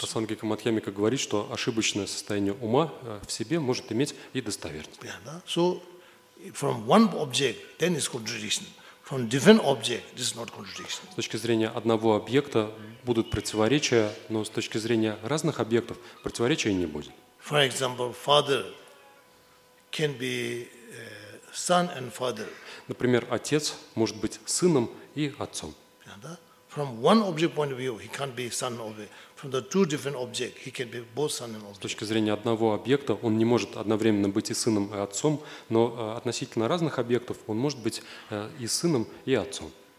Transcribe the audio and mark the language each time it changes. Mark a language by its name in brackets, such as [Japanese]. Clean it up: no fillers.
[Russian] Прасанги Камадхьямика говорит, что ошибочное состояние ума в себе может иметь и достоверность. [English] So, from one object, then it's contradiction. From different object, this is not contradiction. [Russian] С точки зрения одного объекта будут противоречия, но с точки зрения разных объектов противоречия не будет. [English] For example, father can be son and father. [Russian] Например, отец может быть сыном и отцом. [English] From one object point of view, he can't be son and object. From the two different object, he can be both son and object. [Russian] С точки зрения одного объекта, он не может одновременно быть и сыном, и отцом, но относительно разных объектов, он может быть и сыном, и отцом.